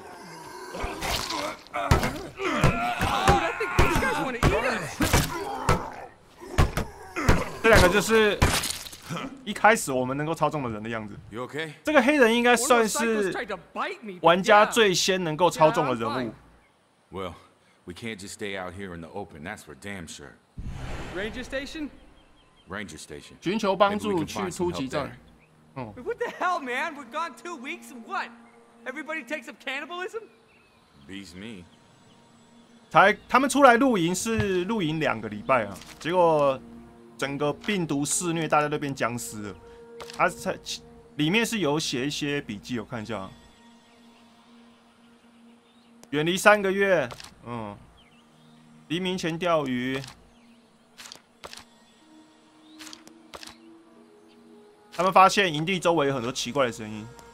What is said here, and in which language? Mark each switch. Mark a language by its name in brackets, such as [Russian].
[English] Dude, I think these guys want to eat us. [Chinese] 这两个就是一开始我们能够操纵的人的样子。这个黑人应该算是玩家最先能够操纵的人物。 [English] Well, we can't just stay out here in the open. That's for damn sure. Ranger station? Ranger station. [Chinese] 寻求帮助去突击战。哦。 [English] What the hell, man? We've gone 2 weeks and what? Everybody takes up cannibalism? Beats me. [Chinese] 他们出来露营是露营两个礼拜啊，结果整个病毒肆虐，大家都变僵尸了。他里面是有写一些笔记，我看一下。远离三个月，嗯，黎明前钓鱼，他们发现营地周围有很多奇怪的声音。